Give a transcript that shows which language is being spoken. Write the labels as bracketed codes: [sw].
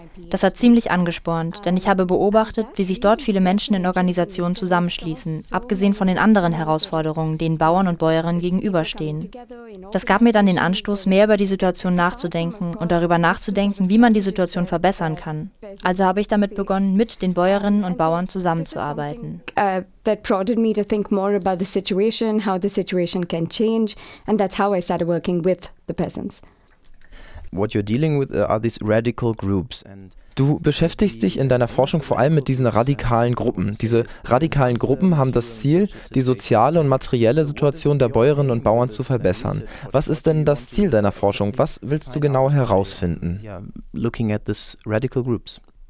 [de] Das hat ziemlich angespornt, denn ich habe beobachtet, wie sich dort viele Menschen in Organisationen zusammenschließen, abgesehen von den anderen Herausforderungen, denen Bauern und Bäuerinnen gegenüberstehen. Das gab mir dann den Anstoß, mehr über die Situation nachzudenken und darüber nachzudenken, wie man die Situation verbessern kann. Also habe ich damit begonnen, mit den Bäuerinnen und Bauern zusammenzuarbeiten. [en] That prodded me to think more about the situation, how the situation can change, and that's how I started working with the peasants. What you're dealing with are these radical groups. [de] Du beschäftigst dich in deiner Forschung vor allem mit diesen radikalen Gruppen. Diese radikalen Gruppen haben das Ziel, die soziale und materielle Situation der Bäuerinnen und Bauern zu verbessern. Was ist denn das Ziel deiner Forschung? Was willst du genau herausfinden? [en] Looking at these radical groups.